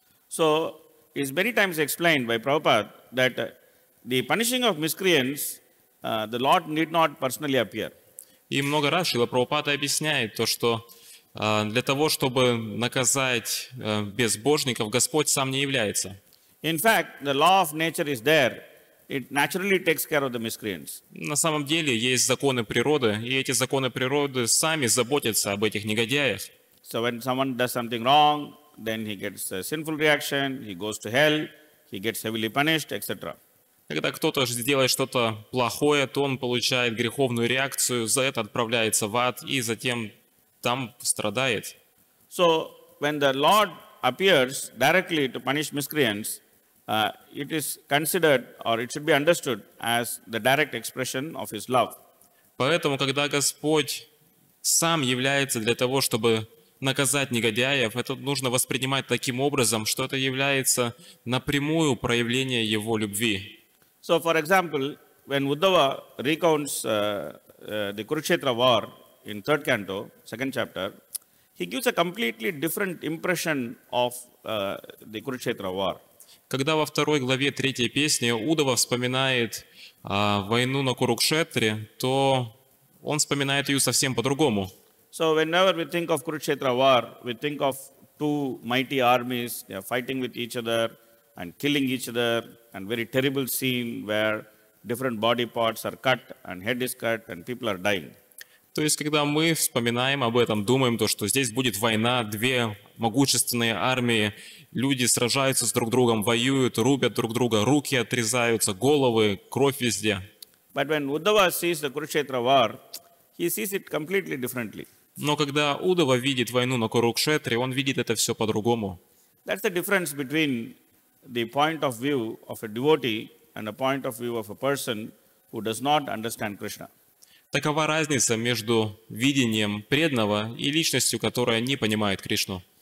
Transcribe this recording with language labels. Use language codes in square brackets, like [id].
[en] So, it's many times explained by Prabhupada that the punishing of miscreants, the Lord need not personally appear. [ru] И много раз Шрила Прабхупада объясняет то, что для того, чтобы наказать безбожников, Господь сам не является. [en] In fact, the law of nature is there. It naturally takes care of the miscreants. [ru] На самом деле есть законы природы, и эти законы природы сами заботятся об этих негодяях. [en] So when someone does something wrong, then he gets a sinful reaction, he goes to hell, he gets heavily punished, etc. [ru] Когда кто-то сделает что-то плохое, то он получает греховную реакцию, за это отправляется в ад и затем там страдает. [en] So when the Lord appears directly to punish miscreants, it is considered, or it should be understood, as the direct expression of his love. [ru] Поэтому, когда Господь сам является для того, чтобы наказать негодяев, это нужно воспринимать таким образом, что это является напрямую проявление его любви. [en] So, for example, when Uddhava recounts the Kurukshetra war in third canto, second chapter, he gives a completely different impression of the Kurukshetra war. [ru] Когда во второй главе третьей песни Удава вспоминает войну на Курукшетре, то он вспоминает ее совсем по-другому. [en] So whenever we think of Kurukshetra war, we think of two mighty armies, they are fighting with each other and killing each other, and very terrible scene where different body parts are cut and head is cut and people are dying. [ru] То есть, когда мы вспоминаем об этом, думаем, то, что здесь будет война, две могущественные армии, люди сражаются с друг другом, воюют, рубят друг друга, руки отрезаются, головы, кровь везде. [en] But when Uddhava sees the Kurukshetra war, he sees it completely differently. [ru] Но когда Удава видит войну на Курукшетре, он видит это все по-другому. [en] That's the difference between the point of view of a devotee and the point of view of a person who does not understand Krishna. [ru] Такова разница между видением преданного и личностью, которая не понимает Кришну.